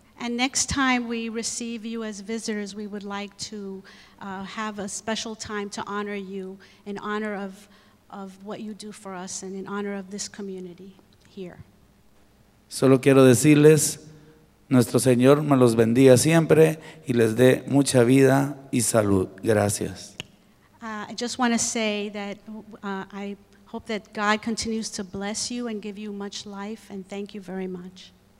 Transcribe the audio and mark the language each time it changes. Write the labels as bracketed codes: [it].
[en] And next time we receive you as visitors, we would like to have a special time to honor you in honor of what you do for us and in honor of this community here. [es] Solo quiero decirles, nuestro Señor me los bendiga siempre y les dé mucha vida y salud. Gracias. [en] I just want to say that I hope that God continues to bless you and give you much life, and thank you very much.